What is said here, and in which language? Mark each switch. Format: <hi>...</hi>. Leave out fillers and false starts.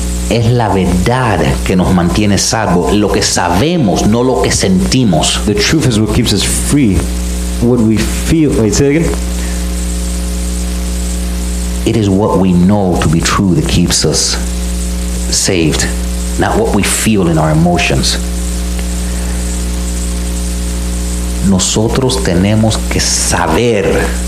<es>Es la verdad que nos mantiene salvos. Lo que sabemos, no lo que sentimos.</es> <en>The truth is what keeps us free. What we feel. Wait, say it again. It is what we know to be true that keeps us saved, not what we feel in our emotions.</en> <es>Nosotros tenemos que saber.</es>